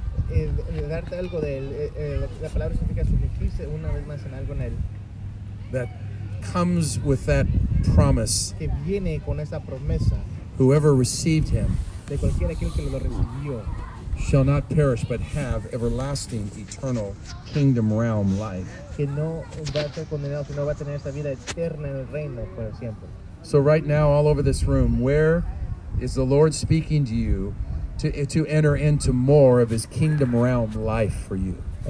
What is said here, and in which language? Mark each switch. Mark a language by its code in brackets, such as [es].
[en] That comes with that promise. [es] Que viene con esa promesa. [en] Whoever received him [es] de cualquiera aquel que lo recibió. [en] Shall not perish but have everlasting eternal kingdom realm life. [es] Que no va a ser condenado, sino va a tener esta vida eterna en el reino por siempre. [en] So right now, all over this room, where is the Lord speaking to you? To enter into more of his kingdom realm life for you.